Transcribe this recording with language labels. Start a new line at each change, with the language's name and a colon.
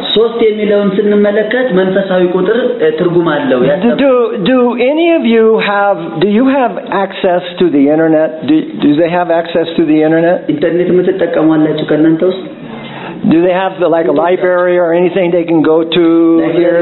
Amharic: ሶስት የሚለውን ስንመለከት መንፈሳዊ ቁጥር ትርጉም አለው
English: ያጠ Do any of you have access to the internet? Do they have access to the internet?
Amharic: ኢንተርኔት ምን ተጠቀማላችሁ ከእናንተ ውስጥ?
English: Do they have like a library or anything they can go to here?